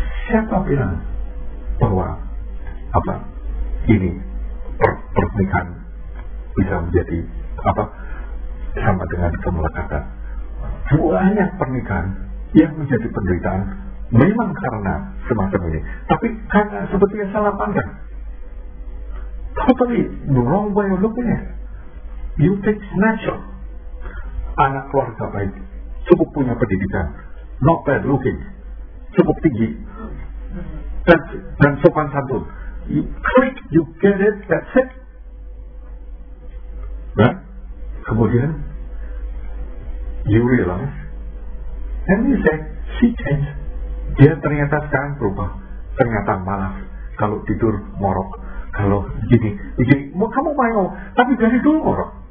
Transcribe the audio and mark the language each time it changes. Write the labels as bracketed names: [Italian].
[Indonesian] Siapa bilang bahwa apa ini pernikahan bisa menjadi apa sama dengan kemelekatan? Banyak pernikahan yang menjadi penderitaan memang karena semacam ini, tapi karena sebetulnya salah pandang. [English] Totally wrong way of looking at. You take snapshot. [Indonesian] Anak keluarga baik, cukup punya pendidikan, [English] not bad looking, [Indonesian] cukup tinggi, dan sopan santun. [English] You click, you get it, that's it. [Indonesian] Nah, kemudian [English] you realize and you say, she changed. [Indonesian] Dia ternyata sekarang berubah. Ternyata malas. Kalau tidur, morok. Kalau begini, kamu mau, tapi dari dulu morok.